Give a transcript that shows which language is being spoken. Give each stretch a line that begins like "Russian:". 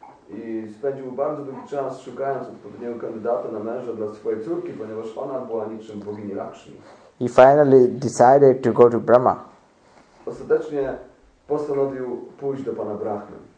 Polish: I spędził bardzo długi czas szukając odpowiedniego kandydata na męża dla swojej córki, ponieważ ona była niczym bogini Lakshmi.
English: He finally decided to go to Brahma.
Polish: Ostatecznie postanowił pójść do pana Brahmy.